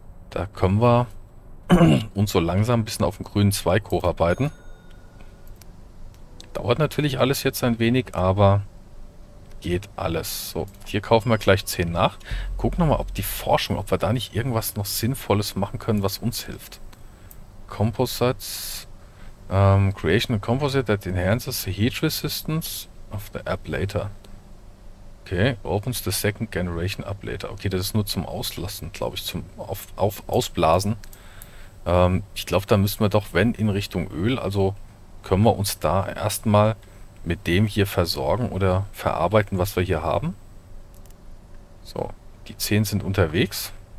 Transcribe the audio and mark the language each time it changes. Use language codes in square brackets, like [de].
[de] Da können wir uns so langsam ein bisschen auf den grünen Zweig hocharbeiten. Dauert natürlich alles jetzt ein wenig, aber geht alles. So, hier kaufen wir gleich 10 nach. Gucken wir mal, ob die Forschung, ob wir da nicht irgendwas noch Sinnvolles machen können, was uns hilft. [en] Composites. Creation of Composite that enhances the heat resistance of the ablator. Okay, opens the second generation ablator. [de] Okay, das ist nur zum Auslassen, glaube ich, zum auf Ausblasen. Ich glaube, da müssen wir doch, wenn in Richtung Öl, also können wir uns da erstmal mit dem hier versorgen oder verarbeiten, was wir hier haben. So, die 10 sind unterwegs.